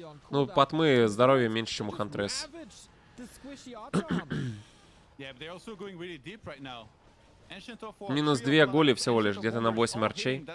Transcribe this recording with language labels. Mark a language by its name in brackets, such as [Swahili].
[Russian] Ну, Патмы здоровье меньше, чем у Хантрес. [English] Yeah, but they're also going really deep right now. [Russian] Минус 2 гули всего лишь, где-то на 8 арчей.